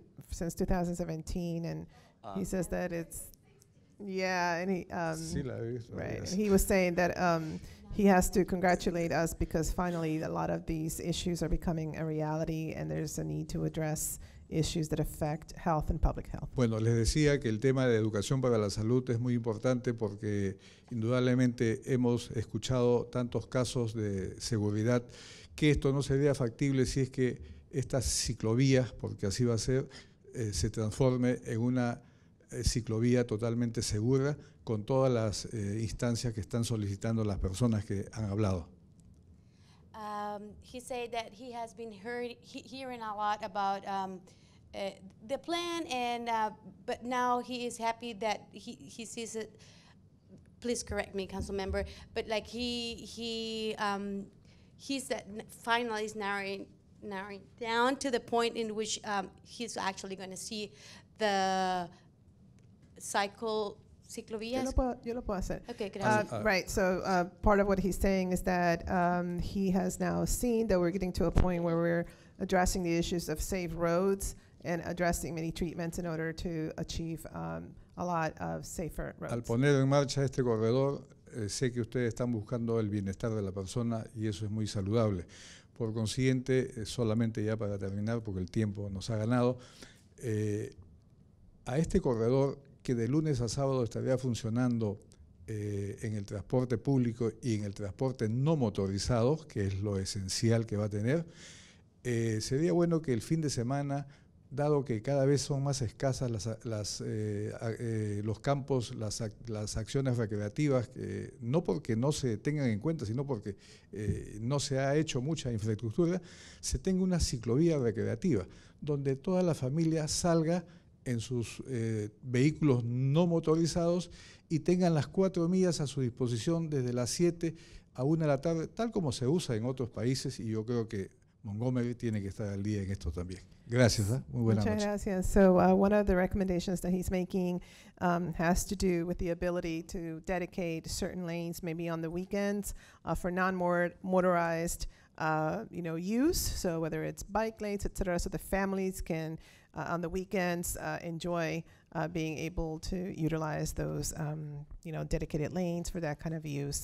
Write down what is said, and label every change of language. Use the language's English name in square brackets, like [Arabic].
[English] Since 2017, and he says that it's, and he was saying that he has to congratulate us because finally a lot of these issues are becoming a reality, and there's a need to address issues that affect health and public health. [Spanish] Bueno, les decía que el tema de educación para la salud es muy importante porque indudablemente hemos escuchado tantos casos de seguridad que esto no sería factible si es que esta ciclovía, porque así va a ser, se transforme en una ciclovía totalmente segura con todas las instancias que están solicitando las personas que han hablado. [English] He said that he has been hearing a lot about the plan, and but now he is happy that he sees it. Please correct me, council member, but like he said finally is narrowing down to the point in which he's actually going to see the ciclovías. [Spanish] Yo lo puedo hacer. Okay, gracias. [English] Part of what he's saying is that he has now seen that we're getting to a point where we're addressing the issues of safe roads and addressing many treatments in order to achieve a lot of safer roads. [Spanish] Al poner en marcha este corredor, sé que ustedes están buscando el bienestar de la persona y eso es muy saludable. Por consiguiente, solamente ya para terminar, porque el tiempo nos ha ganado, a este corredor que de lunes a sábado estaría funcionando en el transporte público y en el transporte no motorizado, que es lo esencial que va a tener, sería bueno que el fin de semana, dado que cada vez son más escasas las acciones recreativas, no porque no se tengan en cuenta, sino porque no se ha hecho mucha infraestructura, se tenga una ciclovía recreativa, donde toda la familia salga en sus vehículos no motorizados y tengan las 4 millas a su disposición desde las 7 a 1 de la tarde, tal como se usa en otros países, y yo creo que Montgomery tiene que estar al día en esto también. Gracias. Muy buena noche. Muchas gracias. [English] So one of the recommendations that he's making has to do with the ability to dedicate certain lanes, maybe on the weekends, for non-motorized use. So whether it's bike lanes, et cetera, so the families can, on the weekends, enjoy being able to utilize those dedicated lanes for that kind of use.